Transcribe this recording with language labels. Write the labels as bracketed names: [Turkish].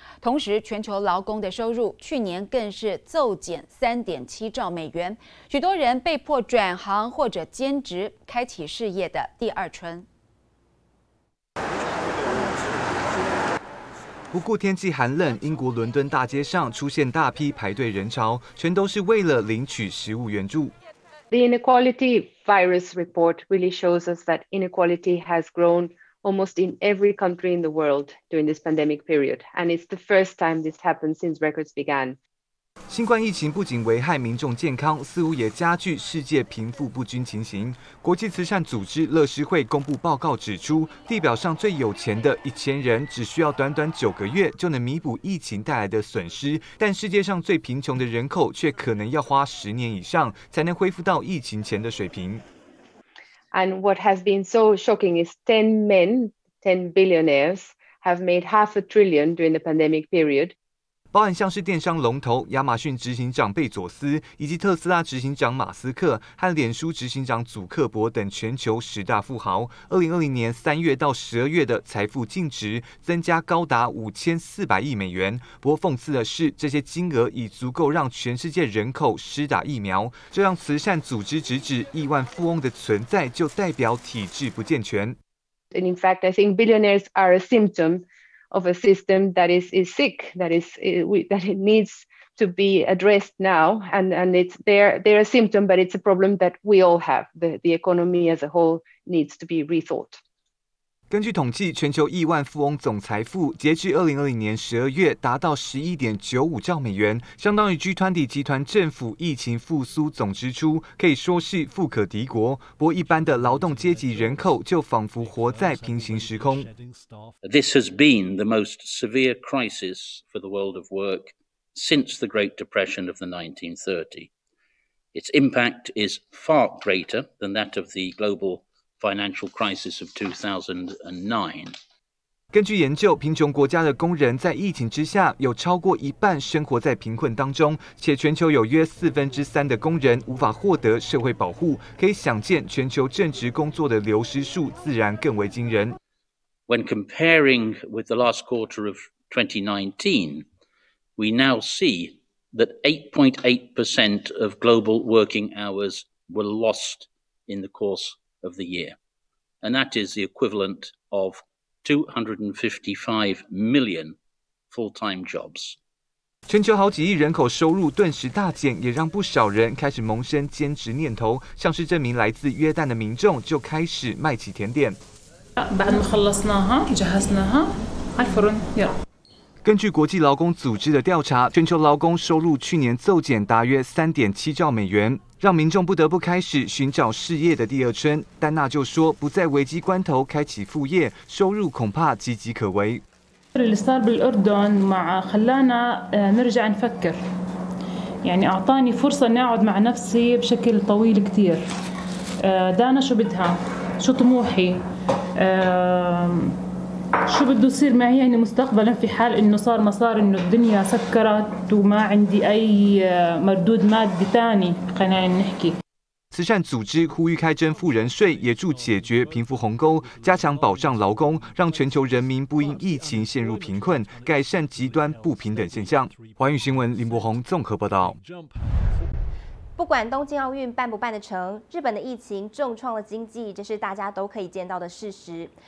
[Chinese] 同时，全球劳工的收入去年更是骤减3.7兆美元，许多人被迫转行或者兼职，开启事业的第二春。不顾天气寒冷，英国伦敦大街上出现大批排队人潮，全都是为了领取食物援助。 [English] The inequality virus report really shows us that inequality has grown almost in every country in the world during this pandemic period, and it's the first time this happened since records began. [Chinese] 新冠疫情不仅危害民众健康，似乎也加剧世界贫富不均情形。国际慈善组织乐施会公布报告指出，地表上最有钱的1000人只需要短短9个月就能弥补疫情带来的损失，但世界上最贫穷的人口却可能要花10年以上才能恢复到疫情前的水平。 [English] And what has been so shocking is 10 men, 10 billionaires have made $500 billion during the pandemic period. [Chinese] 包含像是电商龙头亚马逊执行长贝佐斯，以及特斯拉执行长马斯克和脸书执行长祖克伯等全球十大富豪，2020年3月到12月的财富净值增加高达5400亿美元。不过讽刺的是，这些金额已足够让全世界人口施打疫苗，这让慈善组织直指亿万富翁的存在就代表体制不健全。 [English] And in fact, I think billionaires are a symptom. Of a system that is sick, that it needs to be addressed now, and it's they're a symptom, but it's a problem that we all have. The economy as a whole needs to be rethought. [Chinese] 根据统计，全球亿万富翁总财富截至2020年12月达到11.95兆美元，相当于 G20 集团政府疫情复苏总支出，可以说是富可敌国。不过，一般的劳动阶级人口就仿佛活在平行时空。 [English] This has been the most severe crisis for the world of work since the Great Depression of the 1930s. Its impact is far greater than that of the global. Financial crisis of 2009. [Chinese] 根据研究，贫穷国家的工人在疫情之下有超过一半生活在贫困当中，且全球有约3/4的工人无法获得社会保护，可以想见全球正职工作的流失数自然更为惊人。 [English] When comparing with the last quarter of 2019, we now see that 8.8% of global working hours were lost in the course. Of the year, and that is the equivalent of 255 million full-time jobs. [Chinese] 全球好几亿人口收入顿时大减，也让不少人开始萌生兼职念头。像是这名来自约旦的民众，就开始卖起甜点。 [Arabic] بعد ما خلصناها جهزناها على الفرن يلا. [Chinese] 根据国际劳工组织的调查，全球劳工收入去年骤减大约3.7兆美元，让民众不得不开始寻找事业的第二春。丹娜就说，不在危机关头开启副业，收入恐怕岌岌可危。 [Arabic] اللي صار بالأردن مع خلانا نرجع نفكر، يعني أعطاني فرصة نقعد مع نفسي بشكل طويل كتير. دانا شو بدها؟ شو طموحي؟شو بده يصير معي يعني مستقبلا في حال انه صار ما صار انه الدنيا سكرت وما عندي اي مردود مادي ثاني خلينا نحكي [Chinese] 慈善组织呼吁开征富人税，也助解决贫富鸿沟，加强保障劳工，让全球人民不因疫情陷入贫困，改善极端不平等现象。环宇新闻林柏宏综合报道。不管东京奥运办不办得成，日本的疫情重创了经济，这是大家都可以见到的事实。